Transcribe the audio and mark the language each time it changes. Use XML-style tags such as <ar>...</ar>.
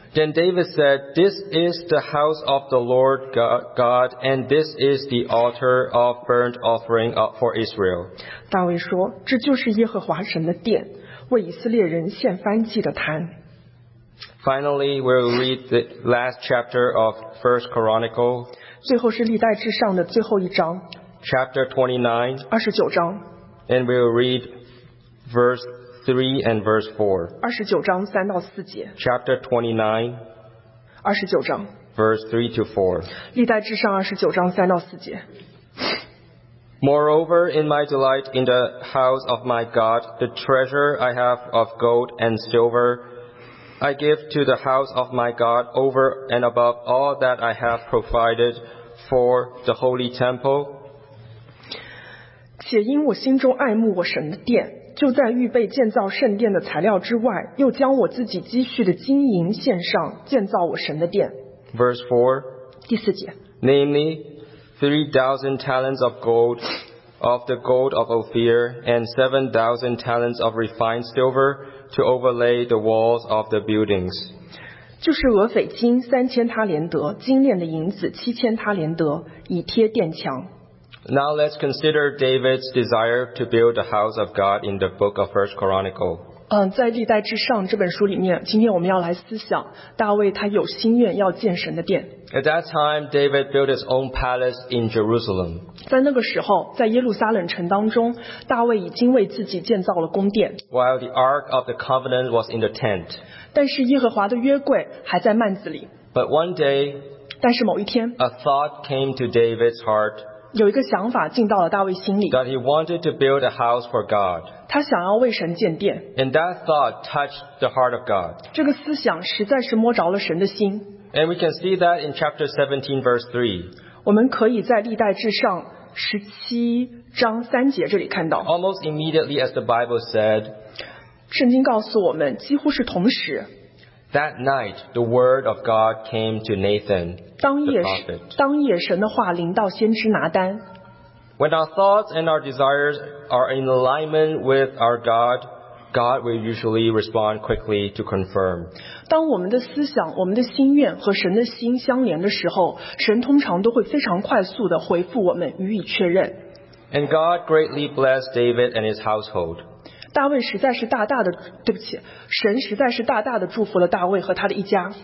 <en>Then David said, This is the house of the Lord God, and this is the altar of burnt offering for Israel.</en> <zh>大卫说，这就是耶和华神的殿，为以色列人献燔祭的坛。</zh> <en>Finally, we'll read the last chapter of 1 Chronicle.</en> <zh>最后是历代至上的最后一章。</zh> <en>Chapter 29.</en> <zh>二十九章。</zh> <en>And we'll read verse 3 and verse 4.</en> <zh>二十九章三到四节。</zh> <en>Chapter 29.</en> <zh>二十九章。</zh> <en>Verse 3 to 4.</en> <zh>历代至上二十九章三到四节。</zh> <en>Moreover, in my delight in the house of my God, the treasure I have of gold and silver, I give to the house of my God over and above all that I have provided for the holy temple.</en> <zh>且因我心中爱慕我神的殿，就在预备建造圣殿的材料之外，又将我自己积蓄的金银献上，建造我神的殿。</zh> <en>Verse 4.</en> <zh>第四节。</zh> <en>Namely, 3,000 talents of gold, of the gold of Ophir, and 7,000 talents of refined silver to overlay the walls of the buildings.</en> <zh>就是俄斐金3000他连德，金炼的银子7000他连德，以贴殿墙。</zh> <en>Now let's consider David's desire to build the house of God in the book of 1 Chronicles.</en> <zh>在历代至上这本书里面，今天我们要来思想大卫他有心愿要建神的殿。</zh> <en>At that time, David built his own palace in Jerusalem.</en> <zh>在那个时候，在耶路撒冷城当中，大卫已经为自己建造了宫殿。</zh> <en>While the Ark of the Covenant was in the tent.</en> <zh>但是耶和华的约柜还在幔子里。</zh> <en>But one day,</en> <zh>但是某一天</zh> <en>a thought came to David's heart.</en> <zh>有一个想法进到了大卫心里。</zh> <en>That he wanted to build a house for God.</en> <zh>他想要为神建殿。</zh> <en>And that thought touched the heart of God.</en> <zh>这个思想实在是摸着了神的心。</zh> <en>And we can see that in chapter 17, verse 3.</en> <zh>我们可以在历代至上17章3节这里看到。</zh> <en>Almost immediately, as the Bible said,</en> <zh>圣经告诉我们几乎是同时。</zh> <en>That night, the word of God came to Nathan, the prophet.</en> <zh>当夜神的话临到先知拿单。</zh> <en>When our thoughts and our desires are in alignment with our God, God will usually respond quickly to confirm.</en> <zh>当我们的思想、我们的心愿和神的心相连的时候，神通常都会非常快速地回复我们，予以确认。</zh> <en>And God greatly blessed David and his household.</en> <zh>大卫实在是大大的，对不起，神实在是大大的祝福了大卫和他的一家。</zh>